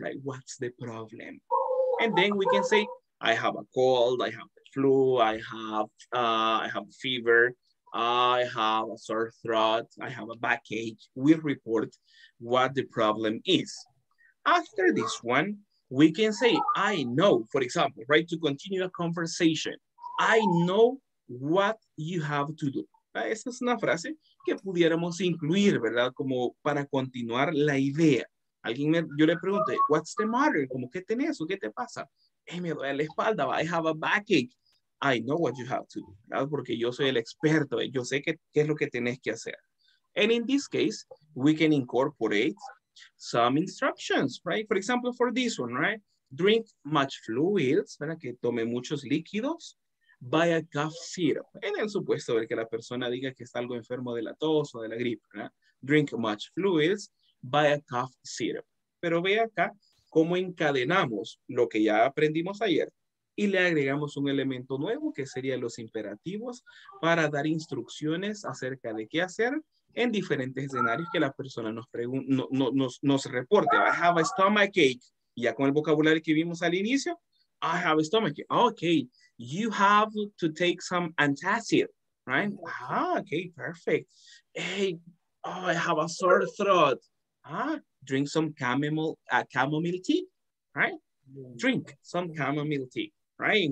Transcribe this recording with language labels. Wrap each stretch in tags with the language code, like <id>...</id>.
<en>Like, what's the problem? And then we can say, I have a cold, I have the flu, I have fever, I have a sore throat, I have a backache. We report what the problem is. After this one, we can say, I know, for example, right, to continue a conversation. I know what you have to do.</en> <es>Esa es una frase que pudiéramos incluir, ¿verdad? Como para continuar la idea. Yo le pregunté,</es> <en>what's the matter?</en> <es>Como, ¿qué tenés o qué te pasa? Me duele la espalda,</es> <en>I have a backache. I know what you have to do, ¿verdad?</en> <es>Porque yo soy el experto, yo sé qué es lo que tenés que hacer.</es> <en>And in this case, we can incorporate some instructions, right? For example, for this one, right? Drink much fluids,</en> <es>para que tome muchos líquidos.</es> <en>Buy a cough syrup.</en> <es>En el supuesto de que la persona diga que está algo enfermo de la tos o de la gripe, ¿verdad?</es> <en>Drink much fluids, buy a cough syrup.</en> <es>Pero ve acá cómo encadenamos lo que ya aprendimos ayer y le agregamos un elemento nuevo que serían los imperativos para dar instrucciones acerca de qué hacer en diferentes escenarios que la persona nos reporte.</es> <en>I have a stomachache.</en> <es>Ya con el vocabulario que vimos al inicio.</es> <en>I have a stomachache. Okay, you have to take some antacid, right? Okay, perfect. Hey, oh, I have a sore throat. Drink some chamomile tea, right? Drink some chamomile tea, right?</en>